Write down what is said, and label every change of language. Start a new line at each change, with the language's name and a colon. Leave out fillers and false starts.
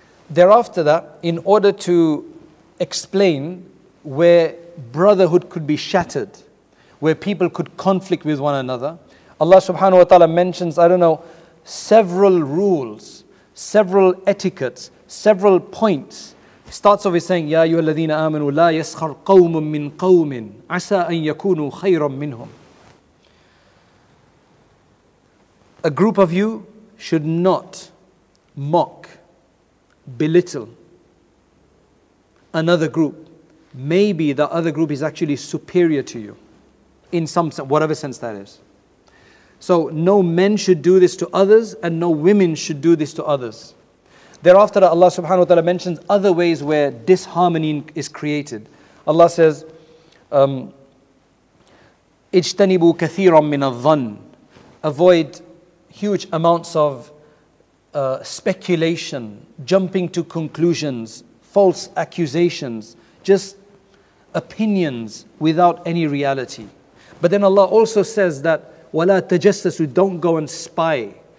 English: Thereafter that, in order to explain where brotherhood could be shattered, where people could conflict with one another, Allah subhanahu wa ta'ala mentions, I don't know, several rules, several etiquettes, several points. He starts off with saying,
Arabic: يَا أَيُّهَا الَّذِينَ آمَنُوا لَا يَسْخَرْ قَوْمٌ مِّن قَوْمٍ عَسَىٰ أَن يَكُونُوا خَيْرًا مِّنْهُمْ.
English: A group of you should not mock, belittle another group. Maybe the other group is actually superior to you in some sense, whatever sense that is. So no men should do this to others and no women should do this to others. Thereafter, Allah subhanahu wa ta'ala mentions other ways where disharmony is created. Allah says,
Arabic: اجتنبوا كثيرا من الظن.
English: Avoid huge amounts of speculation, jumping to conclusions, false accusations, just opinions without any reality. But then Allah also says that
Arabic: وَلَا تَجَسَّسُوا,
English: don't go and spy.